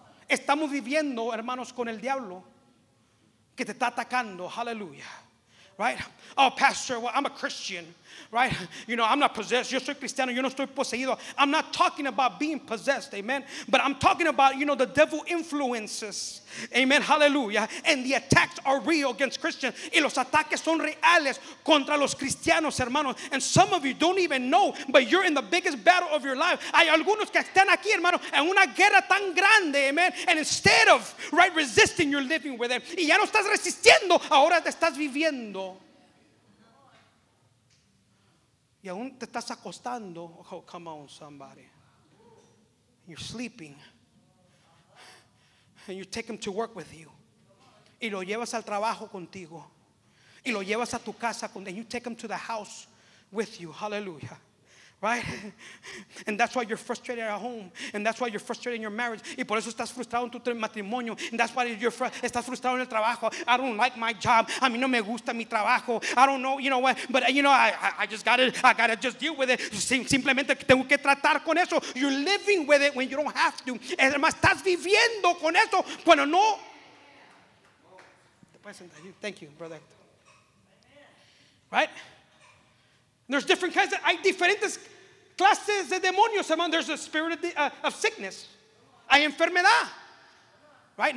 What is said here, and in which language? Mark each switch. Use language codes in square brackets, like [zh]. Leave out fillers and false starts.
[es] Estamos viviendo, hermanos, con el diablo que te está atacando. [en] Hallelujah. Right? Oh, Pastor, well, I'm a Christian. right? You know, I'm not possessed. [es] Yo soy cristiano. Yo no estoy poseído. [en] I'm not talking about being possessed, amen? But I'm talking about, you know, the devil influences, amen? Hallelujah. And the attacks are real against Christians. [es] Y los ataques son reales contra los cristianos, hermanos. [en] And some of you don't even know, but you're in the biggest battle of your life. [es] Hay algunos que están aquí, hermano, en una guerra tan grande, amen? [en] And instead of, right, resisting, you're living with them. [es] Y ya no estás resistiendo, ahora te estás viviendo. Y aún te estás acostando. [en] Oh, come on, somebody. You're sleeping. And you take him to work with you. [es] Y lo llevas al trabajo contigo. Y lo llevas a tu casa. [en] And you take him to the house with you. Hallelujah. Right? And that's why you're frustrated at home. And that's why you're frustrated in your marriage. [es] Y por eso estás frustrado en tu matrimonio. [en] And that's why you're [es] estás frustrado en el trabajo. [en] I don't like my job. [es] A mí no me gusta mi trabajo. [en] I don't know, you know what? But you know, I gotta just deal with it. Simplemente tengo que tratar con eso. You're living with it when you don't have to. [es] Es más, estás viviendo con eso cuando no. [en] Thank you, brother. Right? There's different kinds of, [es] hay diferentes clases de demonios, hermano. [en] There's a spirit of sickness. [es] Hay enfermedad. [en] Right?